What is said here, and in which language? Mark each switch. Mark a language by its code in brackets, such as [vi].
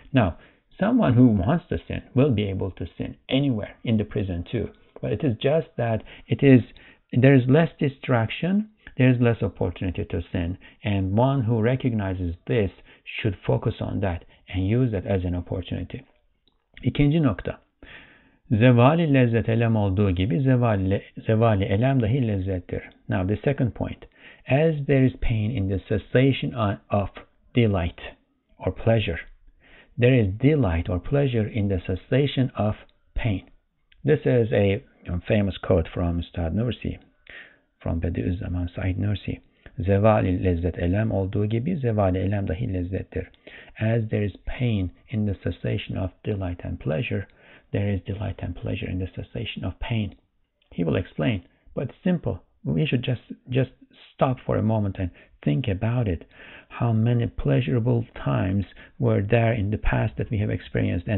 [en] Now, someone who wants to sin will be able to sin anywhere in the prison too. But it is just that there is less distraction, there is less opportunity to sin. And one who recognizes this should focus on that and use that as an opportunity. [tr] İkinci nokta. Zevali lezzet elem olduğu gibi zevali elem dahi lezzettir. [en] Now the second point. As there is pain in the cessation of delight or pleasure, there is delight or pleasure in the cessation of pain. This is a famous quote from Ustad Nursi, from Bediuzzaman Said Nursi. [tr] Zevali lezzet elem olduğu gibi zevali elem dahi lezzettir. [en] As there is pain in the cessation of delight and pleasure, there is delight and pleasure in the cessation of pain. He will explain, but simple. We should just stop for a moment and think about it. How many pleasurable times were there in the past that we have experienced?